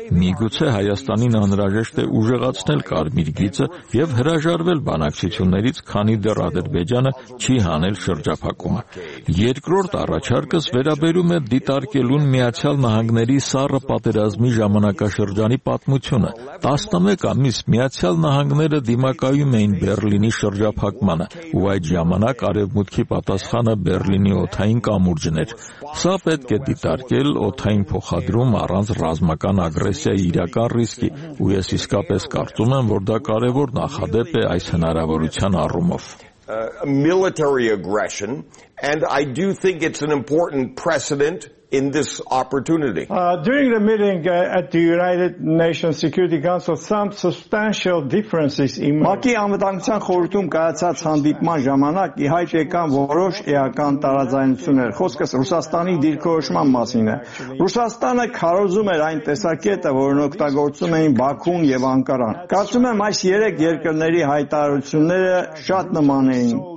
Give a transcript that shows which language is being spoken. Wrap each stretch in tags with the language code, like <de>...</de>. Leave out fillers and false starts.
<hy>Միգուցե Հայաստանին անհրաժեշտ է ուժեղացնել կարմիր գիծը և հրաժարվել բանակցություններից, քանի դեռ Ադրբեջանը չի հանել շրջափակումը։ Երկրորդ առաջարկս վերաբերում է դիտարկելուն Միացյալ Նահանգների սառը պատերազմի ժամանակաշրջանի պատմությունը։ 11 ամիս Միացյալ Նահանգները դիմակայում էին Բեռլինի շրջափակմանը, ու այդ ժամանակ Արևմուտքի պատասխանը Բեռլինի օթային կամուրջն էր։ Սա պետք է դիտարկել օթային փոխադրում առանց ռազմական ագրեսիայի իրական ռիսկի, ու ես իսկապես կարծում եմ, որ դա կարևոր նախադեպ է այս հնարավորության առումով։</hy> <en>Military aggression, and I do think it's an important precedent in this opportunity. During the meeting at the United Nations Security Council, some substantial differences emerged.</en> <hy>ՄԱԿ-ի անվտանգության խորհրդում կայացած հանդիպման ժամանակ իհայտ եկան որոշ էական տարաձայնություններ, խոսքս Ռուսաստանի դիրքորոշման մասին է։ Ռուսաստանը քարոզում էր այն տեսակետը, որն օգտագործում էին Բաքուն և Անկարան։ Կարծում եմ, այս երեք երկրների հայտարարությունները շատ նման էին</hy>